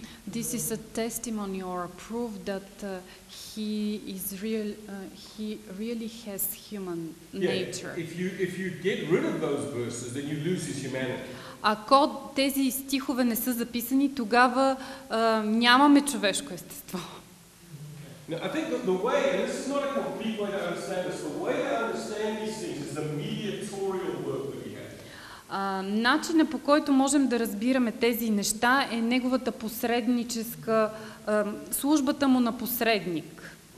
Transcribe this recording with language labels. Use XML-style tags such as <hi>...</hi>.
<en>This is a testimony or a proof that he really has human nature. If you get rid of those verses, then you lose his humanity.</en> <bg>Ако тези стихове не са записани, тогава нямаме човешко естество.</bg> <en>Now, I think the way, and this is not a complete way to understand this, the way to understand these things is a mediatorial work.</en> <bg>Начинът по който можем да разбираме тези неща е неговата посредническа службата му на посредник.</bg>